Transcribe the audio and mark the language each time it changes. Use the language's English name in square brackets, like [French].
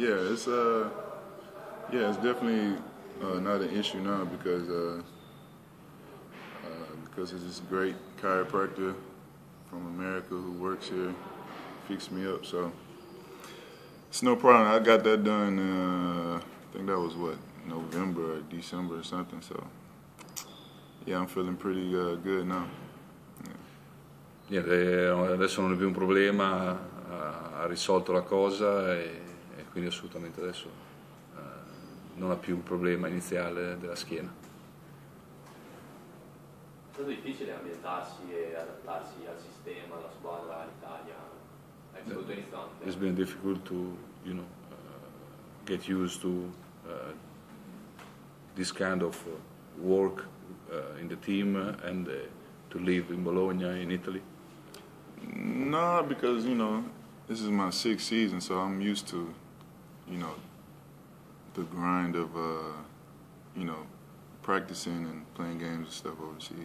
[English] It's definitely not an issue now because it's this great chiropractor from America who works here, fixed me up, so it's no problem. I got that done, I think that was November or December or something, so Yeah, I'm feeling pretty good now. [Italian] Niente, adesso non è più un problema, ha risolto la cosa e quindi assolutamente adesso non ha più un problema iniziale della schiena. È stato difficile ambientarsi e adattarsi al sistema, alla squadra, all'Italia? È stato [English] It's been difficult to, you know, get used to this kind of work in the team and to live in Bologna, in Italy. No, because, you know, this is my sixth season, so I'm used to, you know, the grind of, you know, practicing and playing games and stuff overseas.